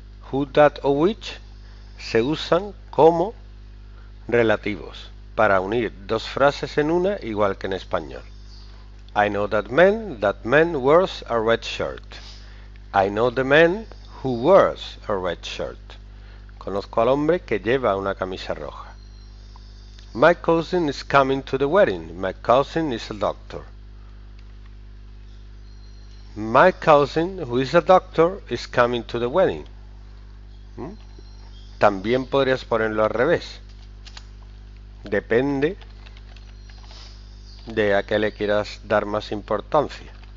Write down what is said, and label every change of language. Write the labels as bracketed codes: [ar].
[es] Who, that o which se usan como relativos para unir dos frases en una, igual que en español. [en] I know that man wears a red shirt. I know the man who wears a red shirt. [es] Conozco al hombre que lleva una camisa roja. [en] My cousin is coming to the wedding. My cousin is a doctor. My cousin, who is a doctor, is coming to the wedding. [es] También podrías ponerlo al revés. Depende de a qué le quieras dar más importancia.